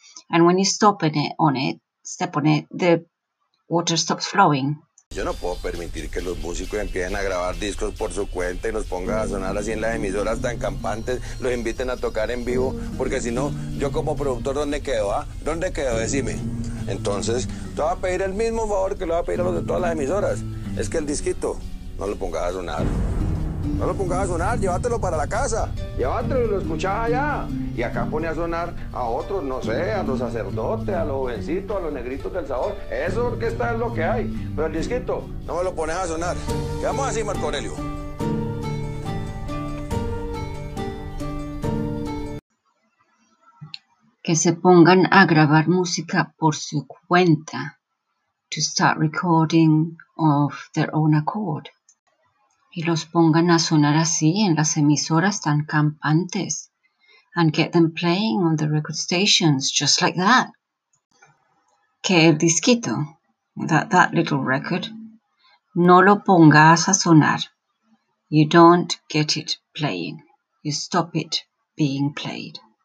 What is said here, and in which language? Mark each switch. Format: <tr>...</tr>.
<en>And when you stop step on it, the water stops flowing.</en> <es>Yo no puedo permitir que los músicos empiecen a grabar discos por su cuenta y nos pongan a sonar así en las emisoras tan campantes, los inviten a tocar en vivo, porque si no, yo como productor, ¿dónde quedo? ¿Ah? ¿Dónde quedo? Decime. Entonces, te voy a pedir el mismo favor que le voy a pedir a los de todas las emisoras. Es que el disquito no lo pongas a sonar. No lo pongas a sonar, llévatelo para la casa. Llévatelo y lo escuchás allá. Y acá pone a sonar a otros, no sé, a los sacerdotes, a los jovencitos, a los negritos del sabor. Eso orquesta es lo que hay. Pero el disquito, no me lo pones a sonar. Quedamos así, Marco Aurelio. Que se pongan a grabar música por su cuenta.</es> <en>To start recording of their own accord.</en> <es>Y los pongan a sonar así en las emisoras tan campantes.</es> <en>And get them playing on the record stations, just like that.</en> <es>Que el disquito,</es> <en>that little record,</en> <es>no lo pongas a sonar.</es> <en>You don't get it playing. You stop it being played.</en>